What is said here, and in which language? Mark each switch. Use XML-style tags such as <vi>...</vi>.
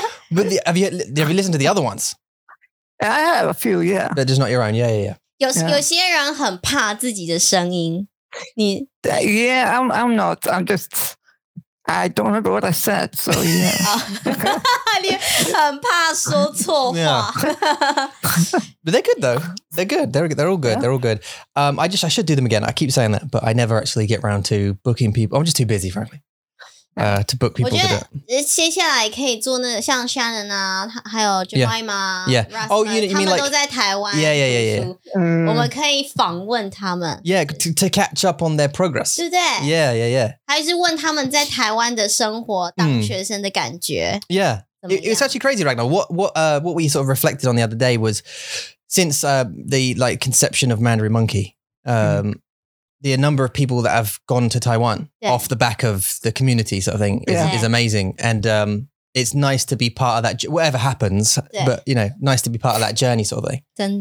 <en>But have you listened to the other ones? I have a few, yeah. But just not your own. Yeah.</en> <zh>有些人很怕自己的声音。</zh> <en>Yeah, I'm not. I'm just... I don't remember what I said, so yeah.</en> <zh>你很怕说错话。</zh> <en>Yeah. But they're good though. They're good. They're all good. Yeah. They're all good. I should do them again. I keep saying that, but I never actually get around to booking people. I'm just too busy, frankly, to book people.</en> <zh>我觉得接下来可以做那个像 Shannon 啊，还有 Jemima,</zh> <en>yeah. Oh, you mean like,</en> <zh>他们都在台湾。</zh> <en>Yeah.</en> <zh>我们可以访问他们。</zh> <en>Yeah, to catch up on their progress.</en> <zh>对不对</zh> <en>Yeah.</en> <zh>还是问他们在台湾的生活，当学生的感觉。</zh> <en>Yeah. It's actually crazy right now. What we sort of reflected on the other day was since the like conception of Mandarin Monkey, the number of people that have gone to Taiwan off the back of the community sort of thing is amazing. And it's nice to be part of that, whatever happens, but you know, nice to be part of that journey sort of thing.</en>